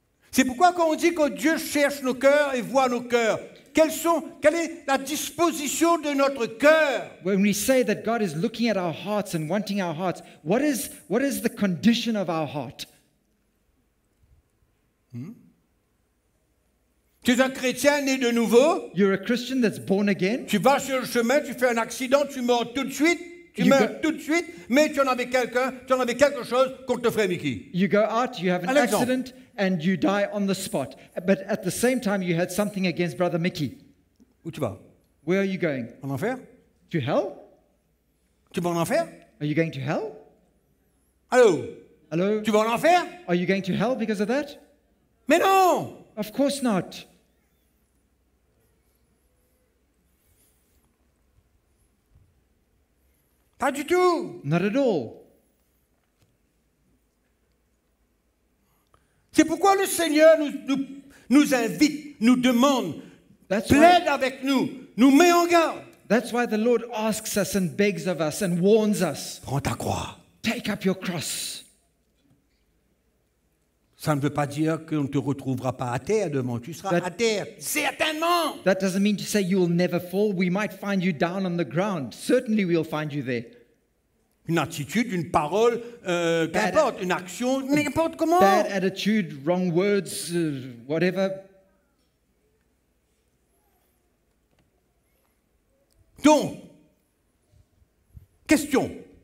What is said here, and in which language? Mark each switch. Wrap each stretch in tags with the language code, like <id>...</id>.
<fr>C'est pourquoi quand on dit que Dieu cherche nos cœurs et voit nos cœurs, quelle est la disposition de notre cœur?</fr> <en>When we say that God is looking at our hearts and wanting our hearts, what is the condition of our heart?</en> <fr>Tu es un chrétien né de nouveau.</fr> <en>You're a Christian that's born again.</en> <fr>Tu vas sur le chemin, tu fais un accident, tu meurs tout de suite. Mais tu en avais quelque chose contre le frère Mickey.</fr> <en>You go out, you have an accident, and you die on the spot. But at the same time, you had something against brother Mickey.</en> <fr>Où tu vas?</fr> <en>Where are you going?</en> <fr>En enfer?</fr> <en>To hell?</en> <fr>Tu vas en enfer?</fr> <en>Are you going to hell?</en> <fr>Allô? Allô? Tu vas en enfer?</fr> <en>Are you going to hell because of that?</en> <fr>Mais non!</fr> <en>Of course not.</en> <fr>Pas du tout.</fr> <en>Not at all.</en> <fr>C'est pourquoi le Seigneur nous invite, nous demande,</fr> <en>That's</en> <fr>plaide</fr> <en>why,</en> <fr>avec nous, nous met en garde.</fr> <en>That's why the Lord asks us and begs of us and warns us.</en> <fr>Prends ta croix.</fr> <en>Take up your cross.</en> <fr>Ça ne veut pas dire qu'on ne te retrouvera pas à terre demain. Tu seras à terre, certainement.</fr> <en>That doesn't mean to say you will never fall. We might find you down on the ground. Certainly we'll find you there.</en> <fr>Une attitude, une parole, qu'importe, une action, n'importe comment.</fr> <en>Bad attitude, wrong words, whatever.</en> <fr>Donc, question.</fr>